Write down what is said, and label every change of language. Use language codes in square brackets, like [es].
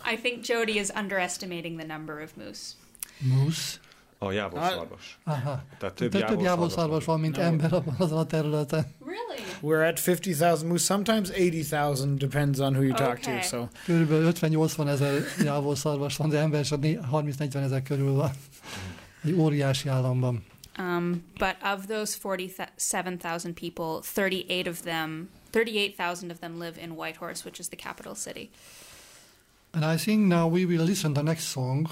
[en] I think Jody is underestimating the number of moose. Moose? [hu] A jávorszarvas. Aha. Tehát több jávorszarvas van, mint ember abban az a területen. [en] Really? We're at 50,000 moose. Sometimes 80,000, depends on who you talk to. So. [hu] Körülbelül 50-80 ezer jávorszarvas van, de ember csak 30-40 ezer körül van. Egy óriási államban. [en] But of those 47,000 people, 38,000 of them live in Whitehorse, which is the capital city. And I think now we will listen to the next song.